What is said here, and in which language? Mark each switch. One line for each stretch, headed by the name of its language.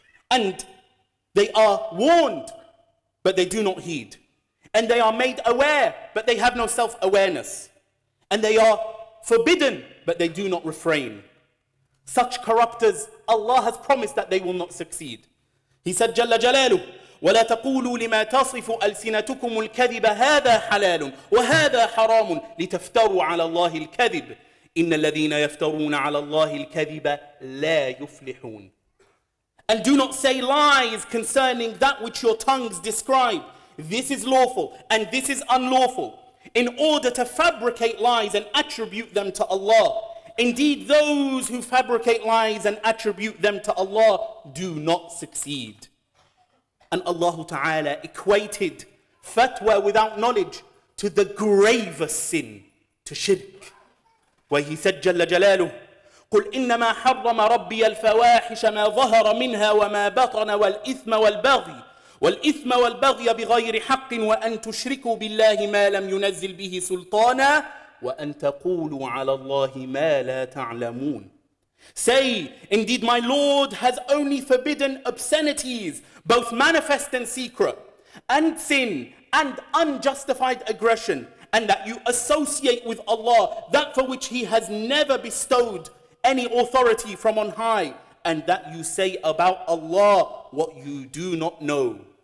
English: And they are warned, but they do not heed. And they are made aware, but they have no self-awareness. And they are forbidden, but they do not refrain. Such corruptors, Allah has promised that they will not succeed. He said, Jalla Jalalu,
Arabic: وَلَا تَقُولُوا لِمَا تَصِفُ أَلْسِنَتُكُمُ الْكَذِبَ هَذَا حَلَالٌ وَهَذَا حَرَامٌ لِتَفْتَرُوا عَلَى اللَّهِ الْكَذِبِ إِنَّ الَّذِينَ يَفْتَرُونَ عَلَى اللَّهِ الْكَذِبَ لَا يُفْلِحُونَ.
English: And do not say lies concerning that which your tongues describe. this is lawful and this is unlawful, in order to fabricate lies and attribute them to Allah. Indeed, those who fabricate lies and attribute them to Allah do not succeed. And Allah Ta'ala equated fatwa without knowledge to the gravest sin, to shirk. Where he said, Jalla Jalaluhu,
Arabic: قُلْ إِنَّمَا حَرَّمَ رَبِّيَ الْفَوَاحِشَ مَا ظَهَرَ مِنْهَا وَمَا بَطَنَ وَالْإِثْمَ وَالْبَغْيِ وَالْإِثْمَ وَالْبَغْيَ بِغَيْرِ حَقٍ وَأَنْ تُشْرِكُوا بِاللَّهِ مَا لَمْ يُنَزِّلْ بِهِ سُلْطَانًا وَأَنْ تَقُولُوا عَلَى اللَّهِ مَا لَا تَعْلَمُونَ.
English: Say, indeed my Lord has only forbidden obscenities, both manifest and secret, and sin, and unjustified aggression, and that you associate with Allah that for which He has never bestowed any authority from on high, and that you say about Allah what you do not know.